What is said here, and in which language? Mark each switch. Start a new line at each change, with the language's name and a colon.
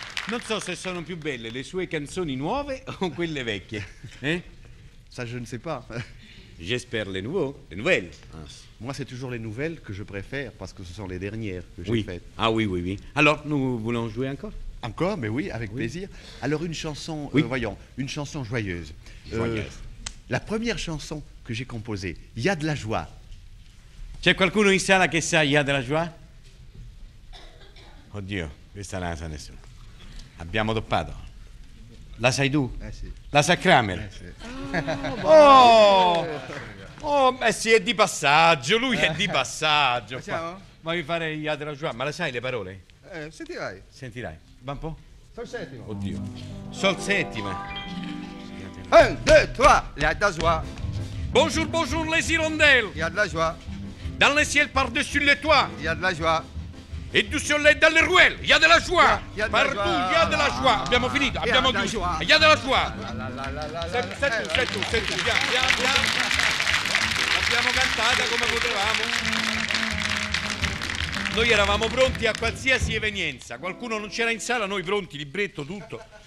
Italian: Non so se sono più belle le sue canzoni nuove o quelle vecchie.
French: Ça, je ne sais pas. J'espère les nouveaux, les nouvelles. Ah. Moi, c'est toujours les nouvelles que je préfère parce que ce sont les dernières que oui. J'ai faites. Ah oui, oui, oui. Alors, nous voulons jouer encore? Encore, mais oui, avec plaisir. Alors, une chanson, oui. Voyons, une chanson joyeuse. Joyeuse. La première chanson que j'ai composée, il y a de la joie.
Italian: C'è qualcuno in sala che sa,
French: il y a de la joie?
Italian: Oddio, questa non la sa nessuno. Abbiamo doppato. La sai tu? Sì. La sa Kramer? Sì. Oh, beh sì, è di passaggio, lui è di passaggio. Siamo? Ma mi fare il Yadra Joa, ma la sai le parole? Sentirai. Sentirai. Va un po'? Sol settima. Oddio. Sol settima.
French: Un, due, trois, le Yadra Joa. Bonjour, bonjour, les hirondelles. Yadra Joa. Dans le ciel, par-dessus les toits. Yadra Joa. Et du soleil dans les ruelles, il y a de la joie. Partout, il y a de la joie.
Italian: Abbiamo finito, abbiamo chiuso.
French: Il y a de la joie. C'est tout.
Italian: L'abbiamo cantata come potevamo. Noi eravamo pronti a qualsiasi evenienza. Qualcuno non c'era in sala, noi pronti, libretto, tutto.